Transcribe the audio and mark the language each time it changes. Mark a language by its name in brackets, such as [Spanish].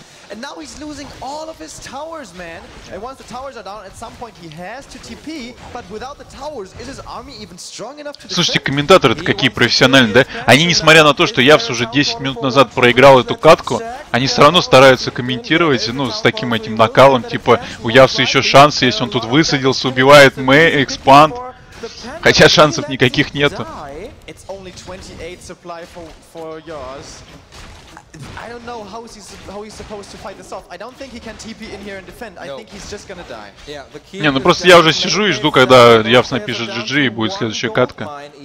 [English] And now he's losing all of his towers, man. And once the towers are down, at some point he has to TP. But without the towers, is his army even strong enough to defend? [Russian] Слушайте, комментаторы-то какие профессиональные, да? Они, несмотря на то, что Явс уже 10 минут назад проиграл эту катку, они все равно стараются комментировать, ну, с таким этим накалом, типа, у Явса еще шансы есть, он тут высадился, убивает Мэй, экспанд. Хотя шансов никаких нету. [English] It's only 28 supply for yours. I don't know how he's supposed to fight this off. I don't think he can TP in here and defend. I think he's just gonna die. [Russian] Не, ну просто я уже сижу и жду, когда Явс напишет GG и будет следующая катка.